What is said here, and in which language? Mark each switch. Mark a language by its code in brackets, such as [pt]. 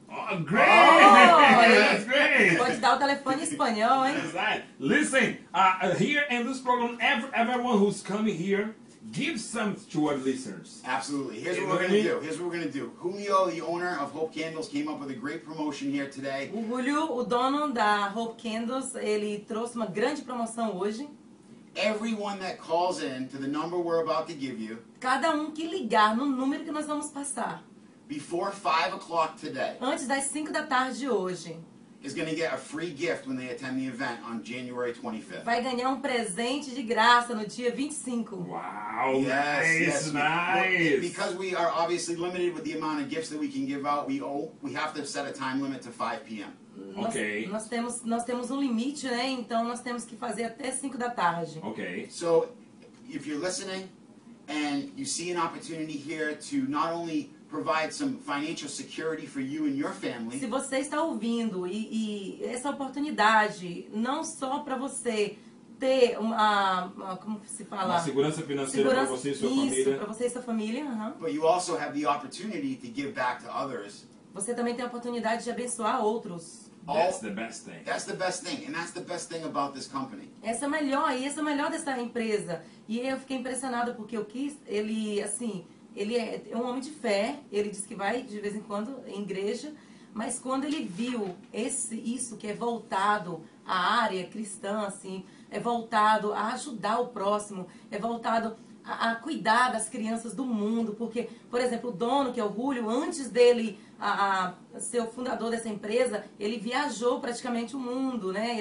[en] Oh, great! Oh, that's great! [pt] Pode dar o telefone em espanhol, hein? [en] That's right. Listen, here in this program, everyone who's coming here, give some to our listeners. Absolutely. Here's what we're going to do. Julio, the owner of Hope Candles, came up with a great promotion here today. [pt] O Julio, o dono da Hope Candles, ele trouxe uma grande promoção hoje. [en] Everyone that calls in to the number we're about to give you. [pt] Cada que ligar no número que nós vamos passar. [en] Before 5 o'clock today. [pt] Antes das 5 da tarde hoje. [en] Is going to get a free gift when they attend the event on January 25th. [pt] Vai ganhar presente de graça no dia 25. [en] Wow! Yes, Nice. Well, because we are obviously limited with the amount of gifts that we can give out, we have to set a time limit to 5 p.m. Okay. [pt] Nós temos limite, né? Então nós temos que fazer até 5 da tarde. Okay. [en] So, if you're listening and you see an opportunity here to not only provide some financial security for you and your family. [pt] Se você está ouvindo e essa oportunidade não só para você ter uma como se fala? Uma segurança financeira para você e sua família. Isso, para você e sua família, [en] But you also have the opportunity to give back to others. [pt] Você também tem a oportunidade de abençoar outros. [en] That's the best thing. That's the best thing, and that's the best thing about this company. [pt] Essa é melhor, e essa é melhor dessa empresa. E eu fiquei impressionado porque eu quis, ele assim, ele é um homem de fé, ele diz que vai de vez em quando em igreja, mas quando ele viu isso que é voltado à área cristã, assim, é voltado a ajudar o próximo, é voltado a cuidar das crianças do mundo, porque, por exemplo, o dono, que é o Julio, antes dele ser o fundador dessa empresa, ele viajou praticamente o mundo, né?